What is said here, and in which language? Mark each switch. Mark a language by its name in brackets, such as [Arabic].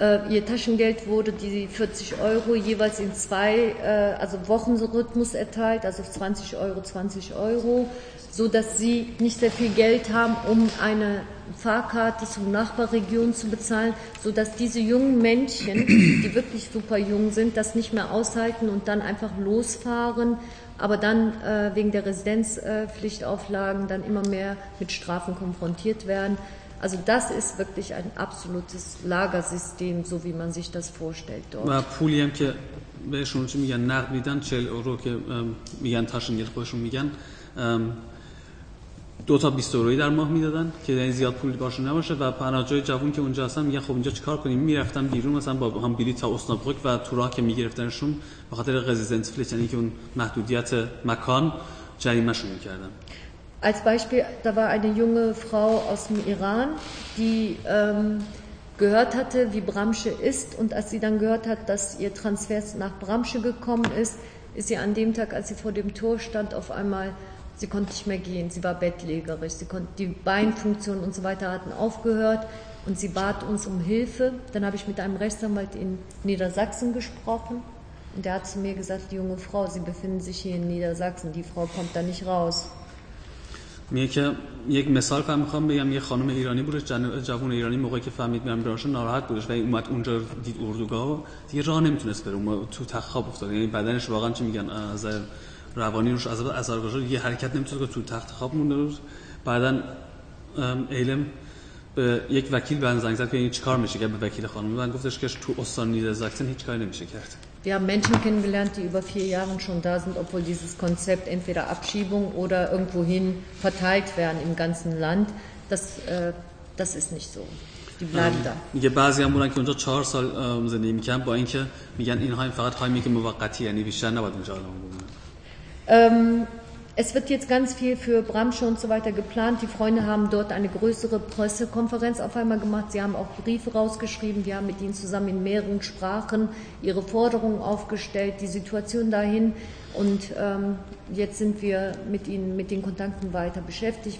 [German] Ihr Taschengeld wurde die 40 Euro jeweils in zwei, also Wochenrhythmus erteilt, also 20 Euro, 20 Euro, sodass sie nicht sehr viel Geld haben, um eine Fahrkarte zur Nachbarregion zu bezahlen, sodass diese jungen Männchen, die wirklich super jung sind, das nicht mehr aushalten und dann einfach losfahren, aber dann wegen der Residenzpflichtauflagen dann immer mehr mit Strafen konfrontiert werden. Also das ist wirklich ein absolutes Lagersystem, so wie man sich das vorstellt dort. [Persian] و پولی هم که بهشون چی میگن نقد میدن 40 اورو که میگن تاشنگل خودشون میگن دو تا 20 دلاری در ماه میدادن که یعنی زیاد پول باشه نباشه و پناهجوی جوون که اونجا هستن میگن خب اینجا چیکار کنیم، میرفتن بیرون مثلا با هم بلیط تا اسنابرگ و تو راه که میگرفتنشون به خاطر قزنت فلیت یعنی که اون محدودیت مکان جریمه شون میکردن. [German] Als Beispiel, da war eine junge Frau aus dem Iran, die gehört hatte, wie Bramsche ist, und als sie dann gehört hat, dass ihr Transfer nach Bramsche gekommen ist, ist sie an dem Tag, als sie vor dem Tor stand, auf einmal, sie konnte nicht mehr gehen, sie war bettlägerig, sie konnte, die Beinfunktion und so weiter hatten aufgehört und sie bat uns um Hilfe. Dann habe ich mit einem Rechtsanwalt in Niedersachsen gesprochen und der hat zu mir gesagt, die junge Frau, sie befinden sich hier in Niedersachsen, die Frau kommt da nicht raus. [Persian] میگه که یک مثال فهم میخوام بگم، یک خانم ایرانی بودش، جوان ایرانی، موقعی که فهمید میرم براش ناراحت بودش و اومد اونجا دید اردوگاه و دیگه راه نمیتونست بره، تو تخت خواب افتاد، یعنی بدنش واقعا چی میگن از روانی روش از اثر گذاشت، یه حرکت نمیتونست که تو تخت خواب مونده بود. بعدن ایلم به یک وکیل بهن زنگ زد که این چیکار میشه، که به وکیل خانم من گفتش که تو استان نیدرزاکسن هیچ کاری نمیشه کرد. [German] Wir haben Menschen kennengelernt, die über 4 Jahren schon da sind, obwohl dieses Konzept entweder Abschiebung oder irgendwohin verteilt werden im ganzen Land. Das ist nicht so. Die bleiben da. [Persian] میگه بعضی هم بودن که اونجا 4 سال زندگی میکنن با اینکه میگن اینها فقط هایمی که موقتی، یعنی بیشتر نباید اونجا الان بمونن. [German] Es wird jetzt ganz viel für Bramsche und so weiter geplant. Die Freunde haben dort eine größere Pressekonferenz auf einmal gemacht. Sie haben auch Briefe rausgeschrieben. Wir haben mit ihnen zusammen in mehreren Sprachen ihre Forderungen aufgestellt, die Situation dahin. Und jetzt sind wir mit ihnen, mit den Kontakten weiter beschäftigt.